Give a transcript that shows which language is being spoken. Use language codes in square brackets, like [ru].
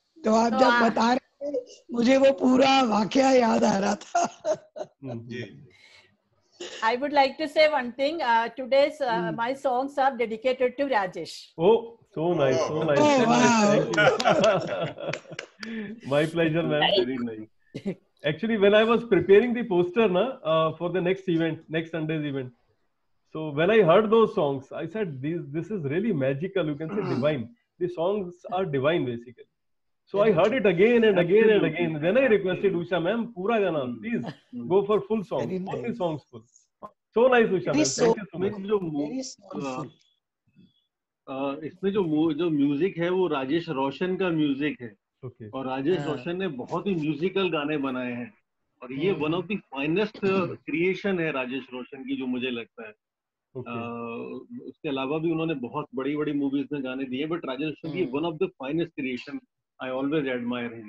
[hi] तो आप जब बता रहे थे मुझे वो पूरा वाकया याद आ रहा था. [en] I would like to say one thing. Today's my songs are dedicated to Rajesh. Oh, so nice, so nice. Oh, wow. My pleasure, ma'am. Very nice. Actually, when I was preparing the poster, na, for the next event, next Sunday's event. So when I heard those songs, I said this is really magical. You can say divine. The songs are divine, basically. So I heard it again and again and again. Then I requested Usha ma'am, pura gana, please go for full song, only songs full. So nice Usha ma'am, thank you so much. [hi] जो इसमें जो जो music है वो राजेश रोशन का music है. [en] Okay. [hi] और राजेश रोशन ने बहुत ही musical गाने बनाए हैं. और ये one of the finest creation है राजेश रोशन की जो मुझे लगता है. [en] Okay. [hi] उसके अलावा भी उन्होंने बहुत बड़ी बड़ी movies में गाने दिए, but राजेश रोशन की one of the finest creation. I always admire him.